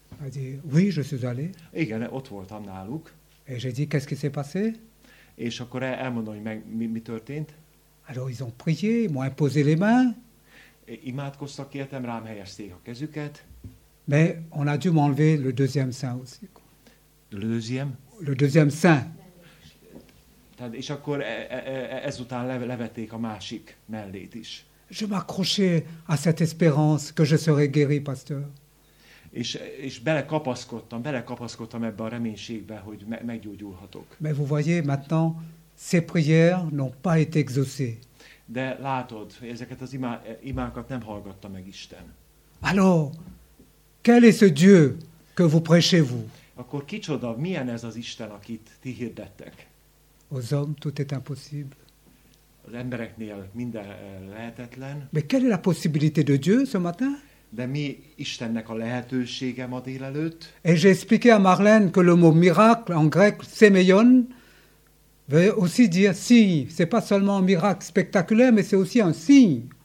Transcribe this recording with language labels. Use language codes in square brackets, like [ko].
[fr] Elle dit, oui, je suis allé. [hu] Igen, ott voltam náluk. [fr] Et j'ai dit, qu'est-ce qui s'est passé? [hu] És akkor elmondom, hogy mi történt. [fr] Alors ils ont prié, m'ont imposé les mains. [hu] Imádkoztak értem, rám helyezték a kezüket. [fr] Mais on a dû m'enlever le deuxième sein aussi. Le deuxième? Le deuxième sein. [hu] Tehát, és akkor ezután levették a másik mellét is. [fr] Je m'accrochais à cette espérance que je serais guéri, pasteur. [hu] És belekapaszkodtam ebbe a reménységbe, hogy meggyógyulhatok. [fr] Mais vous voyez maintenant, ces prières n'ont pas été exaucées. [hu] De látod, ezeket az imákat nem hallgatta meg Isten. [fr] Alors, quel est ce Dieu que vous prêchez vous? [hu] Akkor kicsoda, milyen ez az Isten, akit ti hirdettek? [fr] Aux hommes, tout est impossible. [hu] Az embereknél minden lehetetlen. [fr] Mais quelle est la possibilité de Dieu ce matin? [hu] De mi Istennek a lehetősége ma délelőtt? [fr] Et j'ai expliqué à Marlène que le mot miracle en grec, semeion, veut aussi dire signe. C'est pas seulement un miracle spectaculaire, mais c'est aussi un signe.